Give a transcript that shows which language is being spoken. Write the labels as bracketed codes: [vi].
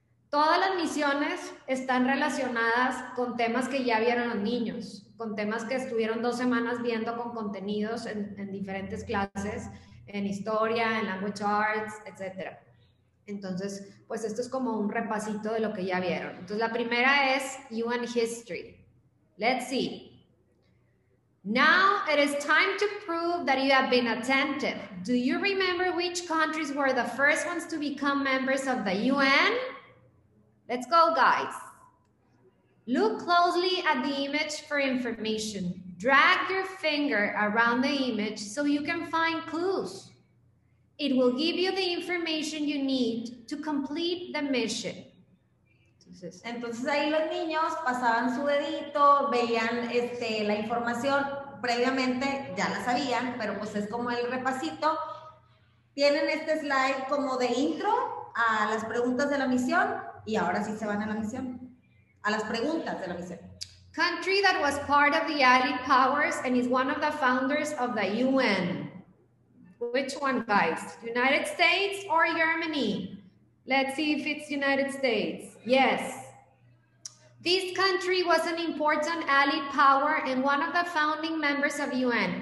[es] Todas las misiones están relacionadas con temas que ya vieron los niños, con temas que estuvieron 2 semanas viendo con contenidos en diferentes clases, en historia, en language arts, etc. Entonces, pues esto es como un repasito de lo que ya vieron. Entonces, la primera es UN History. [en] Let's see. Now it is time to prove that you have been attentive. Do you remember which countries were the first ones to become members of the UN? Let's go, guys. Look closely at the image for information. Drag your finger around the image so you can find clues. It will give you the information you need to complete the mission. [es] Entonces ahí los niños pasaban su dedito, veían la información previamente, ya la sabían, pero pues es como el repasito. Tienen este slide como de intro a las preguntas de la misión y ahora sí se van a la misión, a las preguntas de la misión. [en] Country that was part of the Allied Powers and is one of the founders of the UN. Which one, guys? United States or Germany? Let's see if it's United States. Yes. This country was an important allied power and one of the founding members of UN.